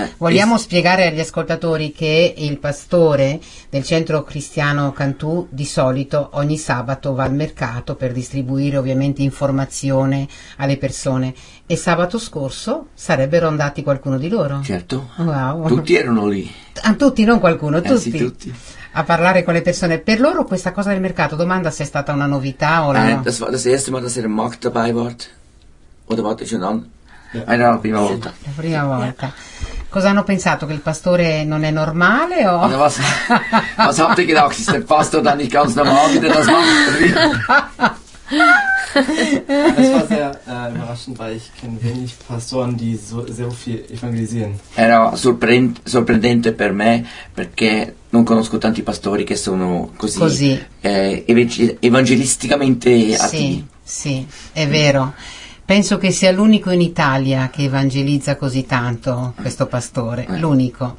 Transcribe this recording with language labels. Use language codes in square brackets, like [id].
[it] Vogliamo spiegare agli ascoltatori che il pastore del Centro Cristiano Cantù di solito ogni sabato va al mercato per distribuire ovviamente informazione alle persone. E sabato scorso sarebbero andati qualcuno di loro? Certo. Wow. Tutti erano lì. Tutti, non qualcuno, tutti. Sì, tutti. A parlare con le persone. Per loro questa cosa del mercato, domanda se è stata una novità o la no. [de] Das war das erste Mal, dass er Markt dabei war. Oder war das schon an? [it] Era la prima volta. La prima volta. Cosa hanno pensato? Che il pastore non è normale o? [de] Was habt ihr gedacht? Ist der Pastor dann nicht ganz normal, wie der das macht? Das war sehr überraschend, weil ich kenne wenig Pastoren, die so sehr viel evangelisieren. [it] Era sorprendente per me, perché non conosco tanti pastori che sono così. Evangelisticamente attivi. Sì, sì, è vero. Penso che sia l'unico in Italia che evangelizza così tanto questo pastore, l'unico.